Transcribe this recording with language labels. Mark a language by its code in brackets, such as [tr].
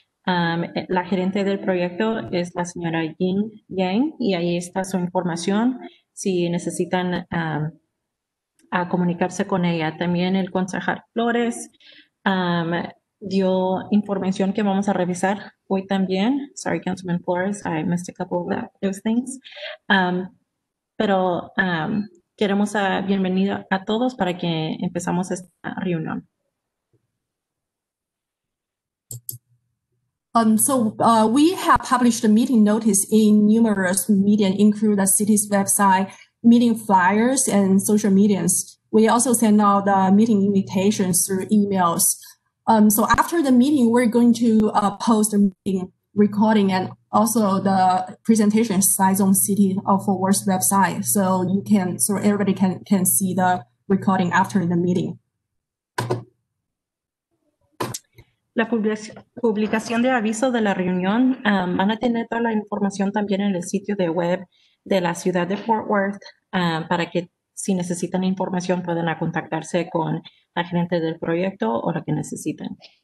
[es] La gerente del proyecto es la señora Jin Yang y ahí está su información. Si necesitan a comunicarse con ella. También el concejal Flores dio información que vamos a revisar hoy también. [en] Sorry, Councilman Flores, I missed a couple of those things. [es] Pero queremos a bienvenido a todos para que empezamos esta reunión. [en] We have published a meeting notice in numerous media, including the city's website, meeting flyers, and social medias. We also send out the meeting invitations through emails. So after the meeting, we're going to post a meeting recording and also the presentation slides on City of Fort Worth's website. So everybody can see the recording after the meeting. [es] La publicación de aviso de la reunión, van a tener toda la información también en el sitio de web de la ciudad de Fort Worth para que si necesitan información puedan contactarse con la gerente del proyecto o lo que necesiten.